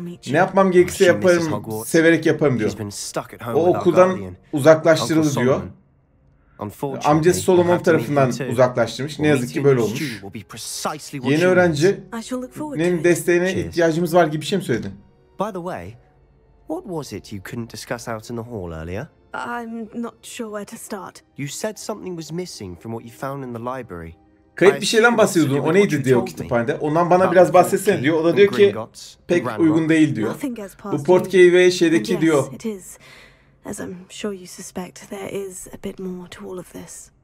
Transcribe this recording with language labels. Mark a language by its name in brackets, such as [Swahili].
[Turkish] Ne yapmam gerekirse yaparım, severek yaparım diyor. O okuldan uzaklaştırıldı diyor. Amcası Solomon tarafından uzaklaştırmış. Ne yazık ki böyle olmuş. Yeni öğrencinin desteğine ihtiyacımız var gibi bir şey mi söyledin? [English] By the way, what was it you couldn't discuss out in the hall earlier? I'm not sure where to start. You said something was missing from what you found in the library. [Turkish] Kayıp bir şeyden bahsediyordun. O neydi diyor kütüphanede. Ondan bana biraz bahsetsene diyor. O da diyor ki pek uygun değil diyor. Bu portkey ve şeydeki diyor. [English] As I'm sure you suspect, there is a bit more to all of this.